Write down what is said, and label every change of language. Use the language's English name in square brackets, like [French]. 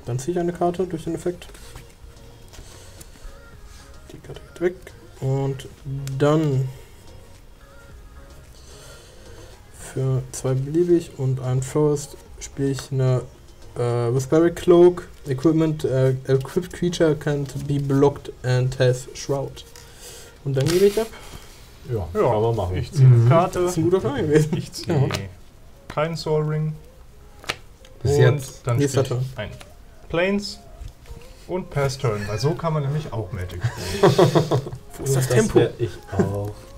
[German] Dann ziehe ich eine Karte durch den Effekt. Die Karte geht weg. Und dann. Für zwei beliebig und ein Forest spiele ich eine Whisperic Cloak Equipment. [English] Equipped Creature can't be blocked and has Shroud. [German] Und dann gebe ich ab. Ja, aber machen wir. Ich ziehe eine Karte. Das ist ein guter Fall gewesen. Ich ziehe keinen Soul Ring. Bis und jetzt. Dann spiele ich ein Plains und Pass Turn, weil so kann man nämlich auch Magic spielen. Wo ist das Tempo? Das ich auch.